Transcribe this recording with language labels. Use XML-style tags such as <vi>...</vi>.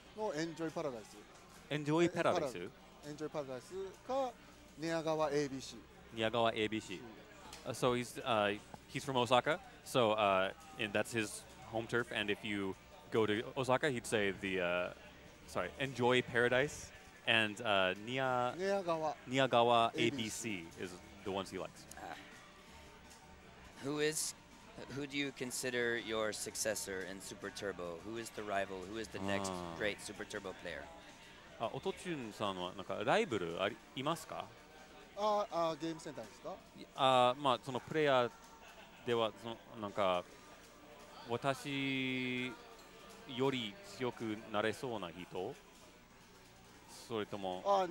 <ja>のエンジョイパラダイス。エンジョイパラダイス？エンジョイパラダイスか、寝屋川 ABC。寝屋川 ABC。</ja> <en>So he's from Osaka, so and that's his home turf, and if you go to Osaka, he'd say the, Enjoy Paradise, and Niagawa ABC is the ones he likes. Who do you consider your successor in Super Turbo? Who is the rival? Who is the next great Super Turbo player?</en> <ja>Otochun-san wa nanka rival imasu ka? ゲームセンターですか？まあ、そのプレイヤーではそのなんか私より強くなれそうな人、それとも</ja>